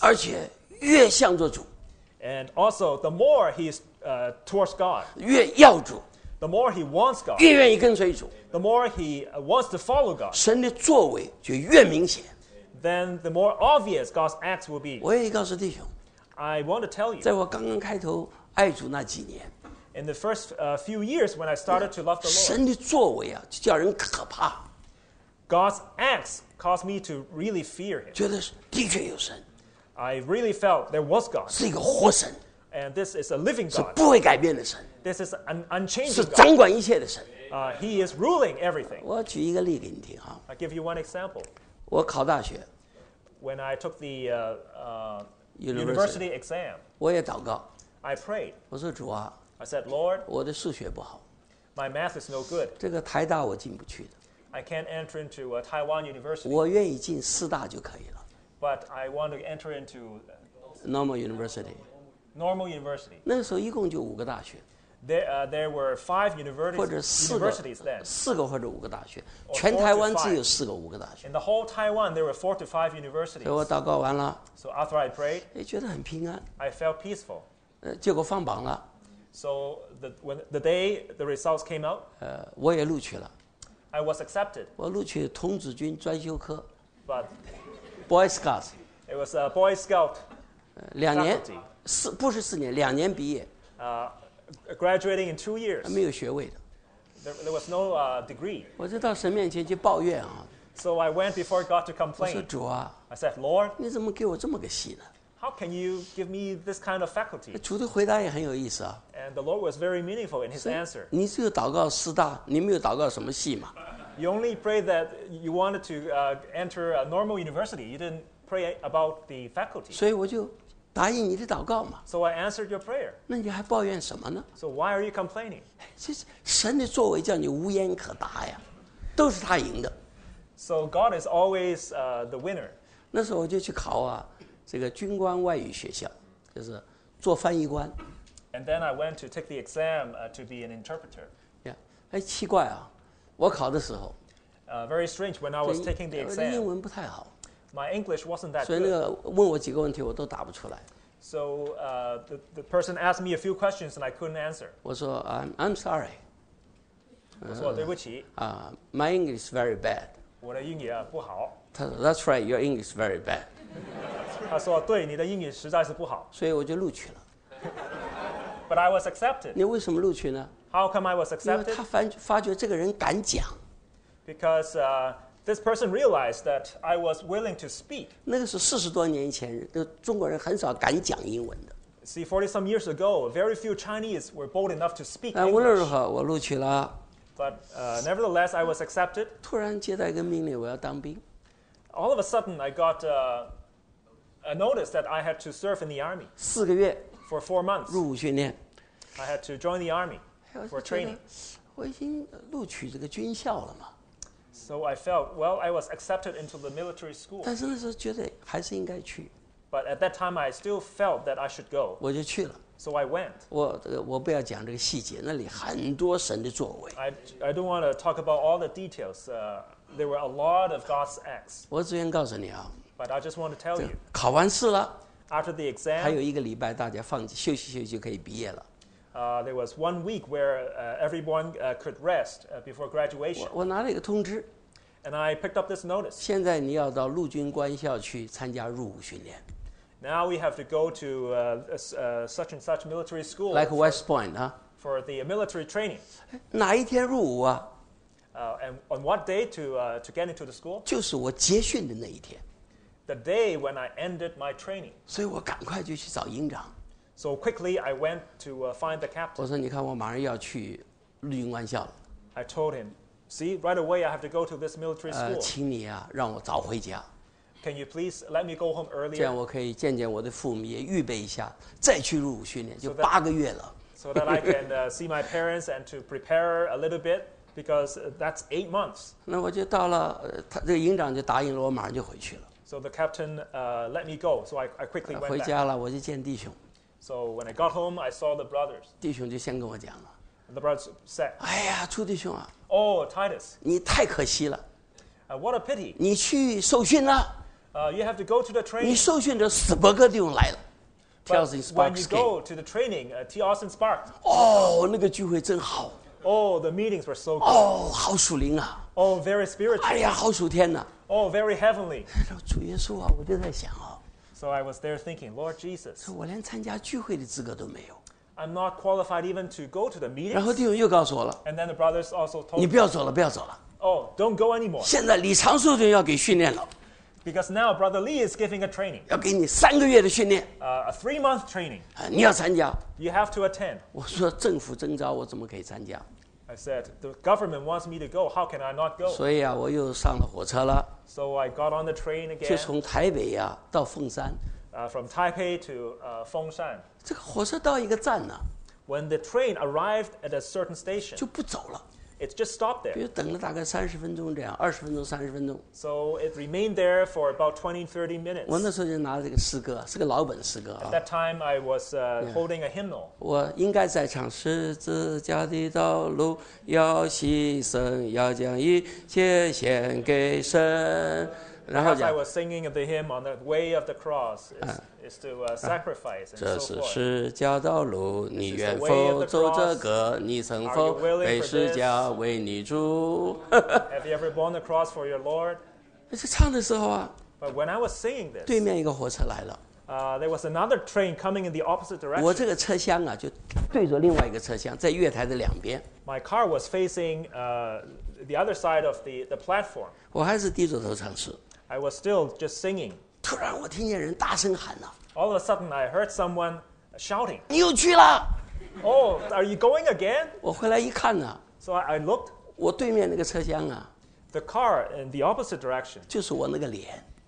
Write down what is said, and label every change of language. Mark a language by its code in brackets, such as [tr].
[zh] 而且越向着主。 [en] And also, the more he is towards God, [zh] 越要主。 [en] The more he wants God, [zh] 越愿意跟随主。 [en] The more he wants to follow God, [zh] 神的作为就越明显。 [en] Then the more obvious God's acts will be. [zh] 我也告诉弟兄。 [en] I want to tell you. [zh] 在我刚刚开头爱主那几年。 [en] In the first few years when I started to love the Lord. [zh] 神的作为啊，就叫人可怕。 [en] God's acts caused me to really fear him. [zh] 觉得的确有神。 [en] I really felt there was God. [zh] 是一个活神。 [en] And this is a living God. [zh] 是不会改变的神。 [en] This is an unchanging God. [zh] 是掌管一切的神。 [en] He is ruling everything. [zh] 我举一个例给你听啊。 [en] I'll give you one example. [zh] 我考大学。 [en] When I took the university exam. [zh] 我也祷告。 [en] I prayed. [zh] 我说主啊。 [en] I said, Lord. [zh] 我的数学不好。 [en] My math is no good. [zh] 这个台大我进不去的。 [en] I can't enter into a Taiwan university. [zh] 我愿意进四大就可以了。 [en] But I want to enter into normal university. Normal university. [zh] 那时候一共就五个大学。 [en] There were five universities. [zh] 或者四个 [en] universities then. [zh] 四个或者五个大学，全台湾只有四个五个大学。 [en] In the whole Taiwan, there were four to five universities. [zh] 所以我祷告完了。 [en] So after I prayed, [zh] 哎，觉得很平安。 [en] I felt peaceful. [zh] 结果放榜了。 [en] So when the day the results came out, [zh] 我也录取了。 [en] I was accepted. [zh] 我录取童子军专修科。 [en] But Boy Scouts. It was a Boy Scout. [zh] 两年四不是四年，两年毕业。 [en] Graduating in 2 years. [zh] 没有学位的。 [en] There was no degree. [zh] 我就到神面前去抱怨啊。 [en] So I went before God to complain. [zh] 我说主啊。 [en] I said, Lord. [zh] 你怎么给我这么个戏呢 [en] ？How can you give me this kind of faculty? [zh] 主的回答也很有意思啊。 [en] And the Lord was very meaningful in his answer. [zh] 你只有祷告四大，你没有祷告什么戏嘛？ [en] You only prayed that you wanted to enter a normal university. You didn't pray about the faculty. [zh] 所以我就答应你的祷告嘛。 [en] So I answered your prayer. [zh] 那你还抱怨什么呢 [en] ？So why are you complaining? [zh] 这是神的作为，叫你无言可答呀，都是他赢的。 [en] So God is always the winner. [zh] 那时候我就去考啊，这个军官外语学校，就是做翻译官。 [en] And then I went to take the exam to be an interpreter. Yeah. [zh] 哎，奇怪啊。我考的时候 [en] very strange when I was taking the exam. [zh] 英文不太好。 [en] My English wasn't that good. [zh] 所以那个问我几个问题我都答不出来。 [en] So the person asked me a few questions and I couldn't answer. [zh] 我说 [en] I'm sorry. [zh] 我说对不起。 [en] My English is very bad. [zh] 我的英语不好。他说 [en] That's right, your English is very bad. [zh] 他说对你的英语实在是不好。所以我就录取了。 [en] But I was accepted. [zh] 你为什么录取呢？ [en] How come I was accepted? [zh] 因为他发觉这个人敢讲。 [en] Because this person realized that I was willing to speak. [zh] 那个是四十多年前，中国人很少敢讲英文的。 [en] See, 40-some years ago, very few Chinese were bold enough to speak English. [zh] 无论如何，我录取了。 [en] But nevertheless, I was accepted. [zh] 突然接到一个命令，我要当兵。 [en] All of a sudden, I got a notice that I had to serve in the army. [zh] 四个月。 [en] For 4 months. [zh] 入伍训练。 [en] I had to join the army. For training, [zh] 我已经录取这个军校了嘛。 [en] So I felt, well, I was accepted into the military school. [zh] 但是那时候觉得还是应该去。 [en] But at that time, I still felt that I should go. [zh] 我就去了。 [en] So I went. [zh] 我不要讲这个细节，那里很多神的作为。 [en] I don't want to talk about all the details. There were a lot of God's acts. [zh] 我只愿告诉你啊。 [en] But I just want to tell you. [zh] 考完试了。 [en] After the exam. [zh] 还有一个礼拜，大家放休息休息就可以毕业了。 [en] There was 1 week where everyone could rest before graduation. [zh] 我拿了一个通知。 [en] And I picked up this notice. [zh] 现在你要到陆军官校去参加入伍训练。 [en] Now we have to go to such and such military school. Like West Point, huh? For the military training. [zh] 哪一天入伍啊？ [en] And on what day to get into the school? [zh] 就是我结训的那一天。 [en] The day when I ended my training. [zh] 所以我赶快就去找营长。 [en] So quickly, I went to find the captain. [zh] 我说，你看，我马上要去陆军官校了。 [en] I told him, "See, right away, I have to go to this military school." [zh] 请你啊，让我早回家。 [en] Can you please let me go home earlier? [zh] 这样我可以见见我的父母，也预备一下，再去入伍训练，就八个月了。 [en] So that, I can see my parents and to prepare a little bit, because that's 8 months. [zh] 那我就到了，这个营长就答应了，我马上就回去了。 [en] So the captain let me go. So I quickly went back. [zh] 回家了，我就见弟兄。 [en] So when I got home, I saw the brothers. [zh] 弟兄就先跟我讲了。 [en] The brothers said, [zh] 哎呀，朱弟兄啊。 [en] Oh, Titus. [zh] 你太可惜了。 [en] What a pity. [zh] 你去受训了。 [en] You have to go to the training. [zh] 你受训的斯伯格弟兄来了。 [en] But when you go to the training, T. Austin Sparks. [zh] 哦，那个聚会真好。 [en] Oh, the meetings were so good. [zh] Oh, 好属灵啊。 [en] Oh, very spiritual. [zh] 哎呀，好属天啊。 [en] Oh, very heavenly. [zh] 主耶稣啊，我就在想啊。 [en] So I was there thinking, Lord Jesus. [zh] 我连参加聚会的资格都没有。 [en] I'm not qualified even to go to the meetings. [zh] 然后弟兄又告诉我了。 [en] And then the brothers also told me. [zh] 你不要走了，不要走了。 [en] Oh, don't go anymore. [zh] 现在李长寿就要给训练了。 [en] Because now Brother Lee is giving a training. [zh] 要给你三个月的训练。 [en] A 3-month training. [zh] 你要参加。 [en] You have to attend. [zh] 我说政府征召我怎么可以参加？ [en] I said, the government wants me to go. How can I not go? [zh] 所以啊，我又上了火车了。 [en] So I got on the train again. [zh] 就从台北呀、啊、到凤山。 [en] From Taipei to Fengshan. [zh] 这个火车到一个站呢、啊。 [en] When the train arrived at a certain station. [zh] 就不走了。 [en] It just stopped there. [zh] 比如等了大概三十分钟这样，二十分钟、三十分钟。 [en] So it remained there for about 20-30 minutes. [zh] 我那时候就拿了这个诗歌，是个老本诗歌。 [en] At that time, I was holding a hymnal. [zh] 我应该在唱十字架的道路，要牺牲，要将一切献给神。然后讲。 [en] As I was singing the hymn on the way of the cross, is to sacrifice and so forth. [zh] 这是十架道路，你愿否走这个？你曾否被十架为你主？ [en] Have you ever borne the cross for your Lord? [zh] 这唱的时候啊。 [en] But when I was singing this, [zh] 对面一个火车来了。 [en] There was another train coming in the opposite direction. [zh] 我这个车厢啊，就对着另外一个车厢，在月台的两边。 [en] My car was facing the other side of the platform. [zh] 我还是低着头唱诗。 [en] I was still just singing. [zh] 突然我听见人大声喊了。 [en] All of a sudden, I heard someone shouting. [zh] 你又去了。 [en] Oh, are you going again? [zh] 我回来一看呢。 [en] So I looked. [zh] 我对面那个车厢啊。 [en] The car in the opposite direction. [zh] 就是我那个脸。